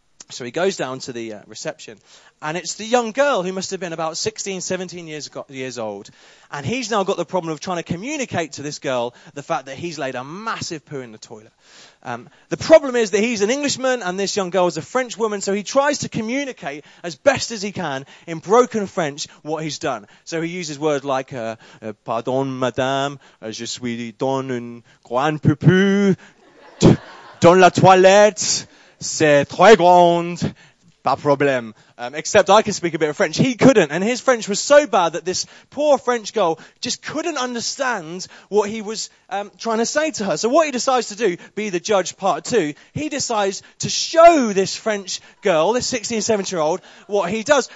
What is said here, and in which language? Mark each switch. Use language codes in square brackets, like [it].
[en] So he goes down to the reception, and it's the young girl who must have been about 16, 17 years old. And he's now got the problem of trying to communicate to this girl the fact that he's laid a massive poo in the toilet. The problem is that he's an Englishman and this young girl is a French woman. So he tries to communicate as best as he can in broken French what he's done. So he uses words like, [fr] pardon, madame, je suis dans un grand poupou, dans la toilette. C'est très grand, pas problème. [en] Except I can speak a bit of French. He couldn't, and his French was so bad that this poor French girl just couldn't understand what he was trying to say to her. So what he decides to do, be the judge part two, he decides to show this French girl, this 16, 17-year-old, what he does.